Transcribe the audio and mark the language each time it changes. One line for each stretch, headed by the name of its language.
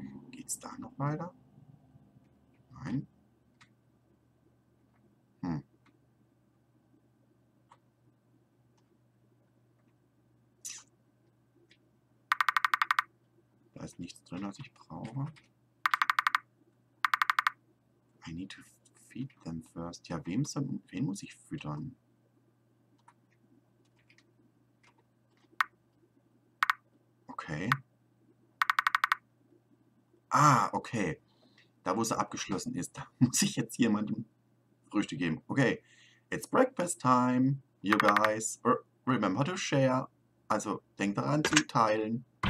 German: Geht's da noch weiter? Nein. Da ist nichts drin, was ich brauche.
English: I need to feed them first.
German: Ja, wen muss ich füttern? Okay. Ah, okay. Da, wo es abgeschlossen ist, da muss ich jetzt jemandem Frühstück geben. Okay.
English: It's breakfast time, you guys. Remember to share.
German: Also, denkt daran zu teilen.